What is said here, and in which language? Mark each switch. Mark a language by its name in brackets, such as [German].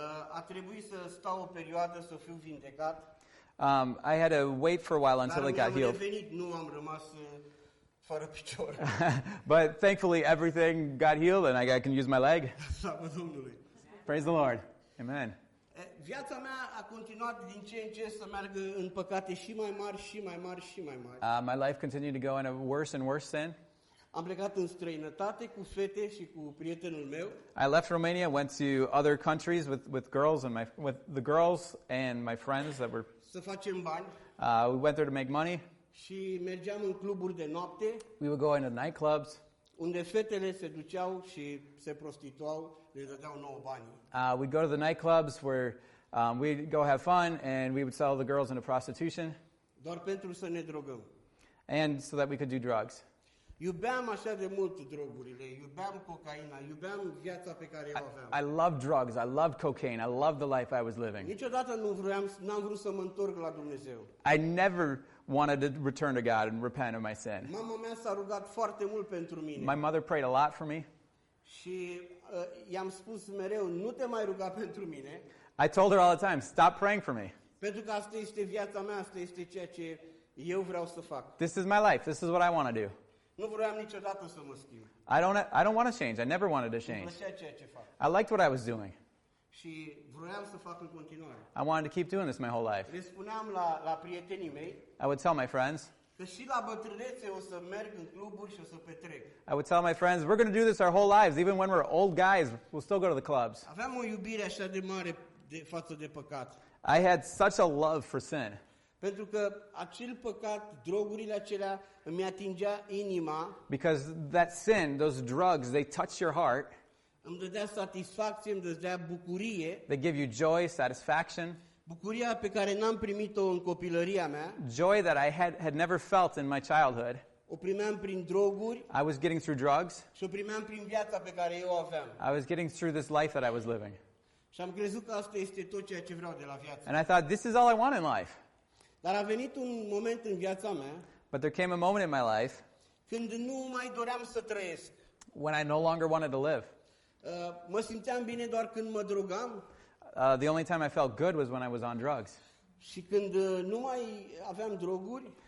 [Romanian] A trebuit să stau o perioadă să fiu vindecat. [English] I had to wait for a while until it got healed. [Romanian] Dar mi-am revenit, nu am rămas fără picior. [English] But thankfully everything got healed and I can use my leg. [Romanian] Slavă Domnului. [English] Praise the Lord. Amen. [Romanian] Viața mea a continuat din ce în ce să meargă în păcate și mai mari, și mai mari, și mai mari. [English] My life continued to go in a worse and worse sin. [Romanian] Am plecat în străinătate cu fete și cu prietenul meu. [English] I left Romania, went to other countries with the girls and my friends that were. [Romanian] Să facem bani. [English] We went there to make money. [Romanian] Și mergeam în cluburi de noapte. [English] We would go into nightclubs. [Romanian] Unde fetele se duceau și se prostituau, le dădeau nouă bani. [English] We go to the nightclubs where we'd go have fun and we would sell the girls into prostitution. [Romanian] Doar pentru să ne drogăm. [English] And so that we could do drugs. [Romanian] Iubeam așa de mult drogurile, iubeam cocaina, iubeam viața pe care o aveam. [English] I loved drugs, I loved cocaine, I loved the life I was living. [Romanian] Niciodată n-am vrut să mă întorc la Dumnezeu. [English] I never wanted to return to God and repent of my sin. [Romanian] Mama mea s-a rugat foarte mult pentru mine. [English] My mother prayed a lot for me. [Romanian] Și i-am spus mereu, nu te mai ruga pentru mine. [English] I told her all the time, stop praying for me. [Romanian] Pentru că asta este viața mea, asta este ceea ce eu vreau să fac. [English] This is my life, this is what I want to do. [Romanian] Nu vreau niciodată să mă schimb. [English] I don't want to change. I never wanted to change. [Romanian] Îmi plăcea ceea ce fac. [English] I liked what I was doing. [Romanian] Și vreau să fac în continuare. [English] I wanted to keep doing this my whole life. [Romanian] Le spuneam la prietenii mei. [English] I would tell my friends. [Romanian] Că și la bătrânețe o să merg în cluburi și o să petrec. [English] I would tell my friends, we're going to do this our whole lives. Even when we're old guys, we'll still go to the clubs. [Romanian] Aveam o iubire așa de mare față de păcat. [English] I had such a love for sin. [Romanian] Pentru că acel păcat, drogurile acelea, îmi atingea inima. [English] Because that sin, those drugs, they touch your heart. [Romanian] Îmi dădea satisfacție, îmi dădea bucurie. [English] They give you joy, satisfaction. [Romanian] Bucuria pe care n-am primit-o în copilăria mea. [English] Joy that I had never felt in my childhood. [Romanian] O primeam prin droguri. [English] I was getting through drugs. [Romanian] Și o primeam prin viața pe care eu o aveam. [English] I was getting through this life that I was living. [Romanian] Și am crezut că asta este tot ceea ce vreau de la viață. [English] And I thought, this is all I want in life. [Romanian] Dar a venit un moment în viața mea. [English] But there came a moment in my life. [Romanian] Când nu mai doream să trăiesc. [English] When I no longer wanted to live. [Romanian] Mă simțeam bine doar când mă drogam. [English] The only time I felt good was when I was on drugs. [Romanian] Și când nu mai aveam droguri.